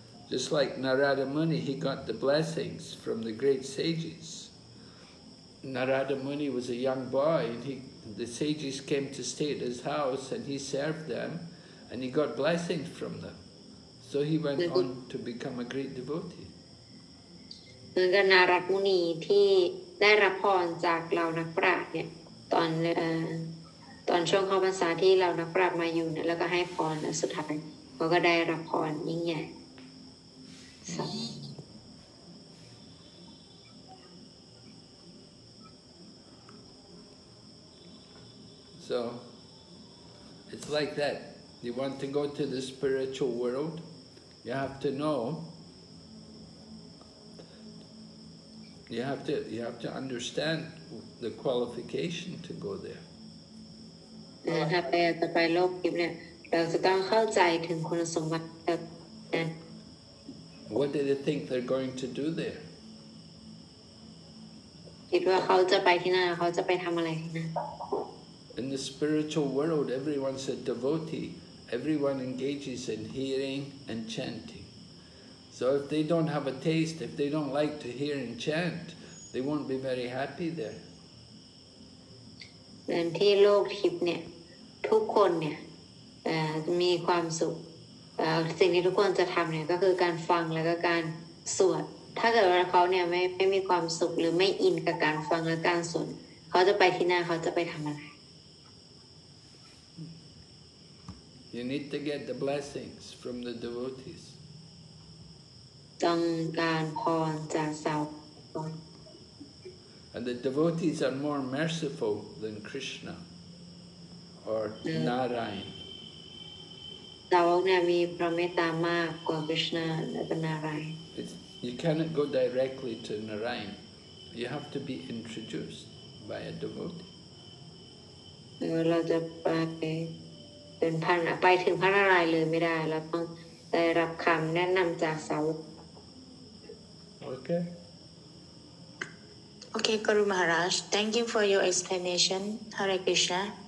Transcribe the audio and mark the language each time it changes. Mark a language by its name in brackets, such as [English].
[English] Just like Narada Muni, he got the blessings from the great sages. Narada Muni was a young boy, and the sages came to stay at his house, and he served them, and he got blessings from them. So he went on to become a great devotee. [Thai] เหมือนกับ Narada Muni ที่ได้รับพรจากเหล่านักปราชญ์เนี่ยตอนช่วงเข้าพรรษาที่เรานักปราชญ์มาอยู่เนี่ยแล้วก็ให้พรสุดท้ายเขาก็ได้รับพรยิ่งใหญ่ [English] So it's like that you want to go to the spiritual world you have to understand the qualification to go there [Thai] ถ้าไปจะไปโลกทิพย์เนี่ยเราจะต้องเข้าใจถึงคุณสมบัติแบบนั้น [English] What do they think they're going to do there? [Thai] คิดว่าเขาจะไปที่นั่นเขาจะไปทำอะไรที่นั่น [English] In the spiritual world, everyone's a devotee. Everyone engages in hearing and chanting. So if they don't have a taste, if they don't like to hear and chant, they won't be very happy there. [Thai] เหมือนที่โลกทิพย์เนี่ยทุกคนเนี่ยมีความสุขสิ่งที่ทุกคนจะทำเนี่ยก็คือการฟังแล้วก็การสวดถ้าเกิดว่าเขาเนี่ยไม่มีความสุขหรือไม่อินกับการฟังและการสวดเขาจะไปที่หน้าเขาจะไปทำอะไร [English] You need to get the blessings from the devotees [Thai] ต้องการพรจากสาวก [English] And the devotees are more merciful than Krishna or Narayan. [Thai] Sawak เนี่ยมีพระเมตตามากกว่า Krishna และ Narayan [English] You cannot go directly to Narayan You have to be introduced by a devotee [Thai] เราจะไปเป็นพันไปถึงพระนารายณ์เลยไม่ได้เราต้องได้รับคำแนะนำจากสาวก โอเค [English] โอเคกรุมหาราช thank you for your explanation Hare Krishna